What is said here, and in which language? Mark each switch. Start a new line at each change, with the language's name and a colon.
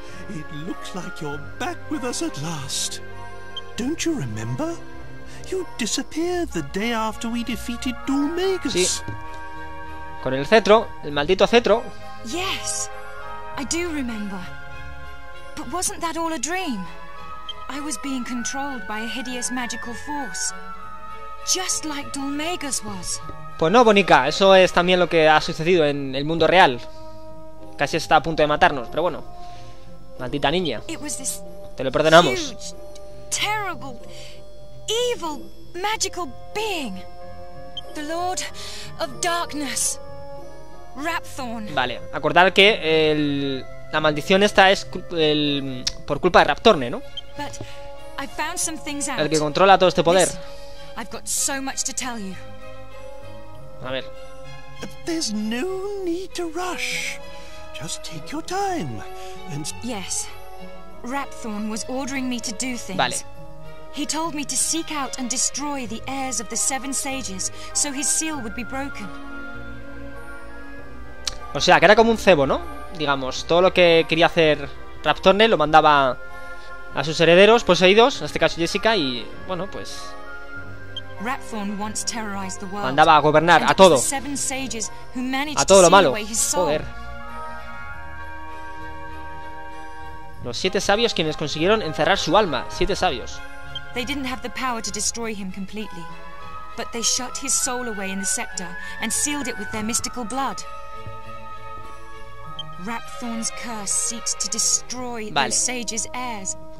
English: It looks like you're back with us at last. Don't you remember? You disappeared the day after we defeated Dulmagus.
Spanish: Sí. Con el cetro, el maldito cetro.
English: Yes, I do remember. But wasn't that all a dream? I was being controlled by a hideous magical force, just like Dulmagus was.
Spanish: Pues no, Bonica, eso es también lo que ha sucedido en el mundo real. Casi está a punto de matarnos, pero bueno. Maldita niña. Te lo perdonamos.
English: Huge, terrible, evil, magical being. The Lord of Darkness. Rapthorn.
Spanish: Vale, acordar que la maldición esta es por culpa de Rapthorne, ¿no?
English: But I found some things out.
Spanish: El que controla todo este poder.
English: Listen, I've got so much to tell you.
Spanish: A ver.
English: There's no need to rush. Just take your time. And yes. Rapthorn was ordering me to do things.
Spanish: Vale.
English: He told me to seek out and destroy the heirs of the Seven Sages so his seal would be broken.
Spanish: O sea, que era como un cebo, ¿no? Digamos, todo lo que quería hacer Rapthorne lo mandaba a sus herederos poseídos, en este caso Jessica, y bueno, pues
English: Rapthorn once terrorized the world.
Spanish: Mandaba a gobernar a todo.
English: The Seven Sages who managed
Spanish: a todo lo malo.
English: To seal away his soul.
Spanish: Joder. Los siete sabios quienes consiguieron encerrar su alma. Siete sabios.
English: They didn't have the power to destroy him completely, but they shut his soul away in the scepter and sealed it with their mystical blood. Rapthorn's curse seeks to destroy
Spanish: vale.
English: The sage's heirs.